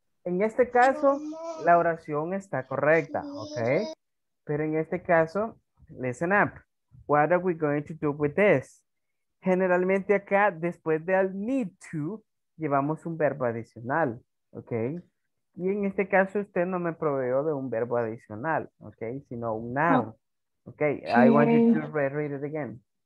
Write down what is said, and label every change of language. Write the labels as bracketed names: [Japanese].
[Spanish] En este caso, la oración está correcta, okay? Pero en este caso, [English] listen up. What are we going to do with this? [Spanish] Generalmente acá, después del need to, llevamos un verbo adicional, okay? Y en este caso, usted no me proveyó de un verbo adicional, okay? Sino un noun. [English] Okay, I want you to reread it again.